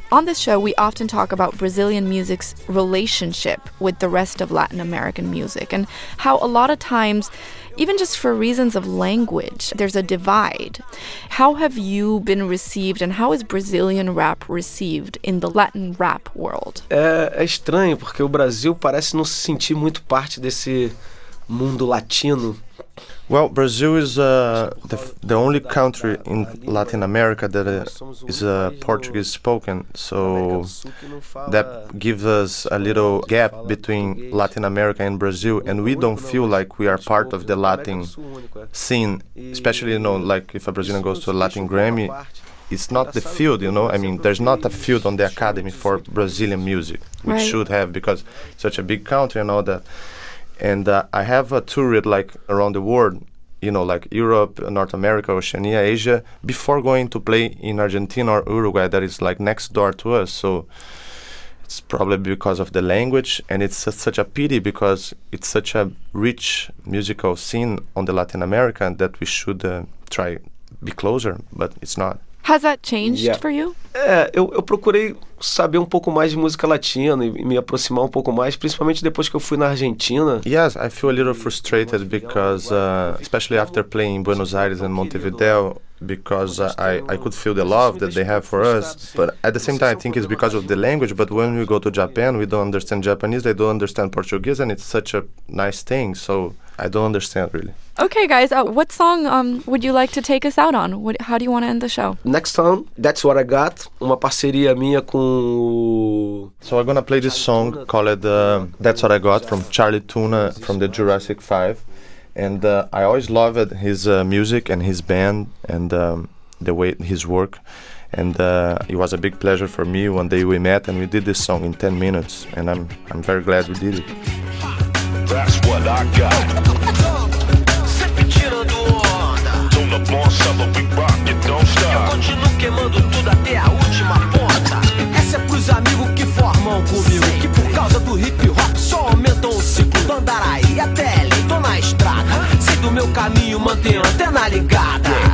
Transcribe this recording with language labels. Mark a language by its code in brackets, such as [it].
[en] On this show, we often talk about Brazilian music's relationship with the rest of Latin American music, and how a lot of times, even just for reasons of language, there's a divide. How have you been received, and how is Brazilian rap received in the Latin rap world? [pt] É estranho, porque o Brasil parece não se sentir muito parte desse mundo latino. [en] Well, Brazil is the only country in Latin America that is Portuguese spoken, so that gives us a little gap between Latin America and Brazil, and we don't feel like we are part of the Latin scene, especially, you know, like if a Brazilian goes to a Latin Grammy, it's not the field, you know? I mean, there's not a field on the academy for Brazilian music, which right. should have, because it's such a big country and all that. And I have a tour like around the world, you know, like Europe, North America, Oceania, Asia, before going to play in Argentina or Uruguay, that is like next door to us. So it's probably because of the language, and it's such a pity because it's such a rich musical scene on the Latin America that we should try be closer, but it's not. Has that changed for you? [pt] Eu procurei saber um pouco mais de música latina e me aproximar um pouco mais, principalmente depois que eu fui na Argentina. [en] Yes, I feel a little frustrated because, especially after playing in Buenos Aires and Montevideo, because I could feel the love that they have for us. But at the same time, I think it's because of the language. But when we go to Japan, we don't understand Japanese, they don't understand Portuguese, and it's such a nice thing. So I don't understand really. Okay, guys, what song would you like to take us out on? How do you want to end the show? Next song, [pt] That's What I Got, uma parceria minha com... [en] So I'm going to play this song called That's What I Got from Charlie Tuna from the Jurassic 5. And I always loved his music and his band and the way his work. And it was a big pleasure for me. One day we met and we did this song in 10 minutes. And I'm very glad we did it. That's what I got. [pt] No bom sábado, [en] we rock, it don't stop. [pt] Eu continuo queimando tudo até a última ponta. Essa é pros amigos que formam comigo, que por causa do hip hop só aumentam o ciclo. Do Andaraí até L, tô na estrada. Sigo meu caminho, mantenho a antena ligada.